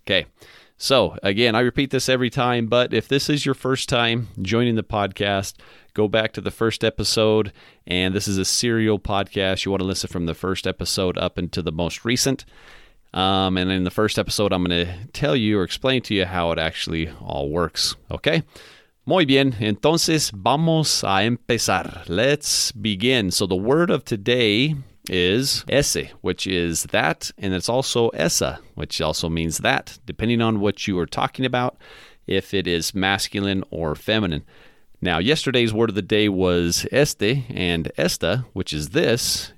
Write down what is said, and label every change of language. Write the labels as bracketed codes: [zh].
[en] Okay, so again, I repeat this every time, but if this is your first time joining the podcast, go back to the first episode, and this is a serial podcast. You want to listen from the first episode up into the most recent. And in the first episode, I'm going to tell you or explain to you how it actually all works. [es] Okay. Muy bien. Entonces, vamos a empezar. [en] Let's begin. So the word of today is ese, which is that. And it's also esa, which also means that, depending on what you are talking about, if it is masculine or feminine. Now, yesterday's word of the day was este and esta, which is this.